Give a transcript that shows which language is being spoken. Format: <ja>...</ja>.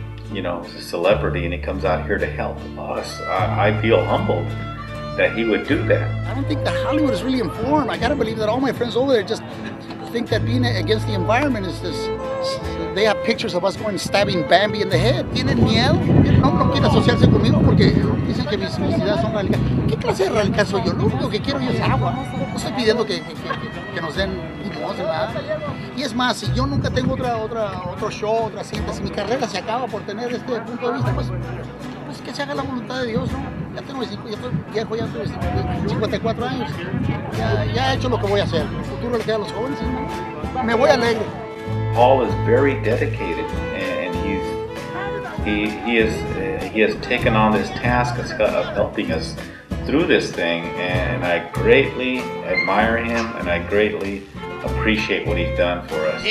<en>He's a celebrity, and he comes out here to help us. I feel humbled that he would do that. I don't think that Hollywood is really informed. I gotta believe that all my friends over there just think that being against the environment is this. They have pictures of us going stabbing Bambi in the head.</en> <es>Tienen miedo. No quieren asociarse conmigo porque dicen que mis necesidades son realidad. ¿Qué clase de realidad soy yo? Lo único que quiero es agua. No estoy pidiendo que nos den limosna ni nada. Y es más, si yo nunca tengo otro show, otra cinta, si mi carrera se acaba por tener este punto de vista, pues que se haga la voluntad de Dios, ¿no? Ya tengo 54 años. Ya he hecho lo que voy a hacer. El futuro le queda a los jóvenes. Me voy alegre.</es> <en>Paul is very dedicated, and he has taken on this task of helping us through this thing, and I greatly admire him, and I greatly appreciate what he's done for us.</en>